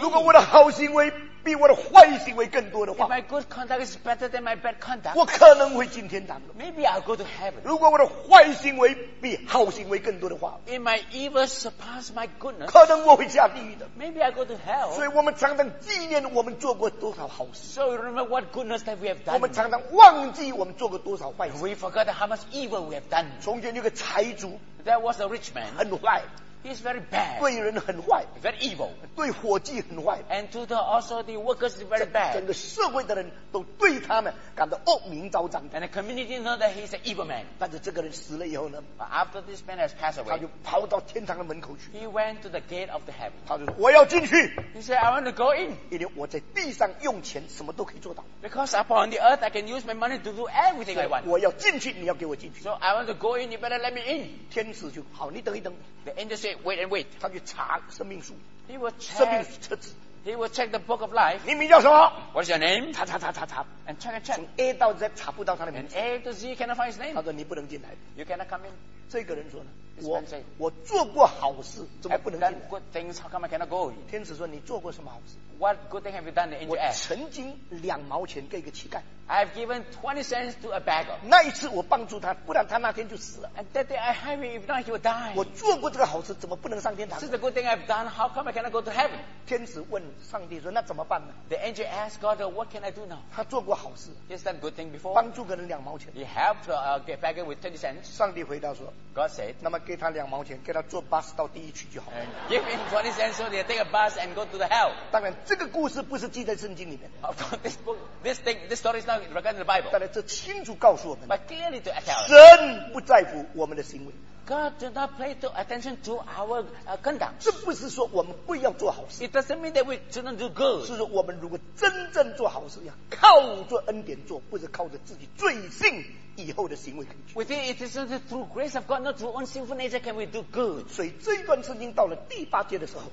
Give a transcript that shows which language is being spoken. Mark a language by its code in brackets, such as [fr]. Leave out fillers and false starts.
[zh] 如果我的好行为比我的坏行为更多的话， [en] If my good conduct is better than my bad conduct, [zh] 我可能会进天堂。 [en] Maybe I'll go to heaven. [zh] 如果我的坏行为比好行为更多的话， [en] If my evil surpass my goodness, [zh] 可能我会下地狱的。 [en] Maybe I'll go to hell. [zh] 所以我们常常纪念我们做过多少好事。 [en] So remember what goodness that we have done. [zh] 我们常常忘记我们做过多少坏事。 [en] We forgot how much evil we have done. [zh] 从前有个财主， [en] There was a rich man. [zh] 很坏。 [en] He's very bad. [zh] 对人很坏。 [en] Very evil. [zh] 对伙计很坏。 [en] And to the also the workers is very bad. [zh] 整个社会的人都对他们感到恶名昭彰。 [en] And the community know that he's an evil man. [zh] 但是这个人死了以后呢？ [en] But after this man has passed away, [zh] 他就跑到天堂的门口去。 [en] He went to the gate of the heaven. [zh] 他就说我要进去。 [en] He said I want to go in. [zh] 因为我在地上用钱什么都可以做到。 [en] Because upon the earth I can use my money to do everything I want. [zh] 我要进去，你要给我进去。 [en] So I want to go in. You better let me in. [zh] 天使就好，你等一等。 [en] The angel said, "Wait and wait." [zh] 他去查生命树。 [en] He will check [zh] 生命册子。 [en] He will check the book of life. [zh] 你名叫什么 [en] ？What's your name? [zh] 查查查查查。 [en] And check and check. [zh] 从 A 到 Z 查不到他的名字。 [en] And A to Z cannot find his name. [zh] 他说你不能进来。 [en] You cannot come in. [zh] 这个人说呢 [en] saying, [zh] 我做过好事，怎么不能进来 [en] ？I've done good things. How come I cannot go? [zh] 天使说你做过什么好事 [en] ？What good thing have you done? The angel asked. [zh] 我曾经两毛钱给一个乞丐。 [en] I've given 20 cents to a beggar. [zh] 那一次我帮助他，不然他那天就死了。 [en] And that day I have him, if not he will die. [zh] 我做过这个好事，怎么不能上天堂？ [en] Since the good thing I've done, how come I cannot go to heaven? [zh] 天使问上帝说，那怎么办呢？ [en] The angel asked God, what can I do now? [zh] 他做过好事。 [en] He's done good thing before. [zh] 帮助个人两毛钱。 [en] He helped a beggar with 20 cents. [zh] 上帝回答说， [en] God said, [zh] 那么给他两毛钱，给他坐 bus 到地狱去就好。 [en] Give him 20 cents so they take a bus and go to the hell. [zh] 当然，这个故事不是记在圣经里面。 [en] Of course, this book, this thing, this story is not. [zh] 但是这清楚告诉我们， [en] But clearly to tell, [zh] 神不在乎我们的行为。 [en] God did not pay too attention to our conduct. [zh] 这不是说我们不要做好事。 [en] It doesn't mean that we shouldn't do good. [zh] 是说我们如果真正做好事，要靠着恩典做，不是靠着自己罪性以后的行为可以去。 [en] We think it isn't through grace of God, not through own sinful nature can we do good. [zh] 所以这一段圣经到了第八节的时候